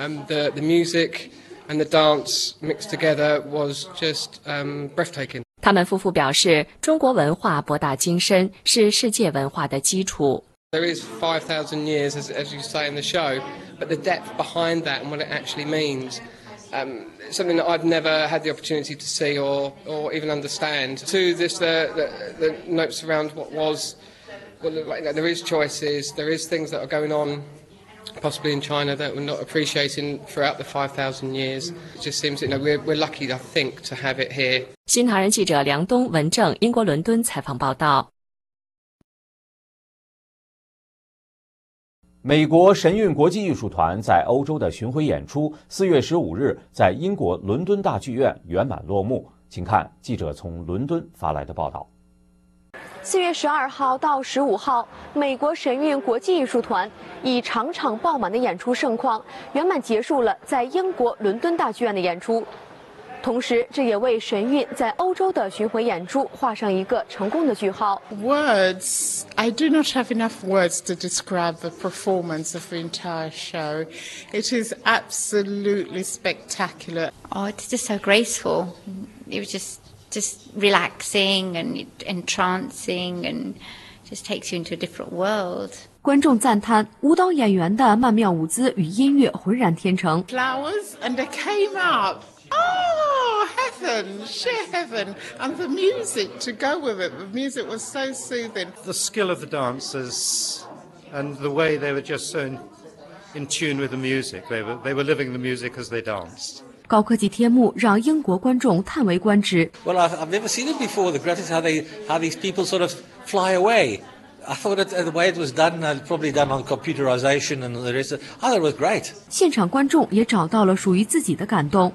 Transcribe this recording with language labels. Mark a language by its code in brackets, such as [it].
[en] The music and the dance mixed together was just breathtaking. [zh] 他们夫妇表示，中国文化博大精深，是世界文化的基础。 [en] There is 5,000 years, as you say in the show, but the depth behind that and what it actually means. Something that I've never had the opportunity to see or even understand. To this, the notes around what was, well, like, there is choices, there is things that are going on possibly in China that we're not appreciating throughout the 5,000 years. It just seems, you know, we're lucky, I think, to have it here. [zh] 新唐人记者梁东、文正，英国伦敦采访报道。美国神韵国际艺术团在欧洲的巡回演出4月15日在英国伦敦大剧院圆满落幕，请看记者从伦敦发来的报道。 4月12号到15号，美国神韵国际艺术团以场场爆满的演出盛况圆满结束了在英国伦敦大剧院的演出，同时这也为神韵在欧洲的巡回演出画上一个成功的句号。 [en] Words, I do not have enough words to describe the performance of the entire show. It is absolutely spectacular. Oh, it's just so graceful. It was just relaxing and entrancing and just takes you into a different world. [zh] 观众赞叹舞蹈演员的曼妙舞姿与音乐浑然天成。 [en] Flowers and they came up. Oh, heaven, sheer heaven, and the music to go with it. The music was so soothing. The skill of the dancers and the way they were just so in tune with the music. They were living the music as they danced. [zh] 高科技天幕让英国观众叹为观止。 [en] Well, I've never seen it before. The greatest how these people sort of fly away. I thought it, the way it was done, probably done on computerization and the rest of it, I thought it was great. [zh] 现场观众也找到了属于自己的感动。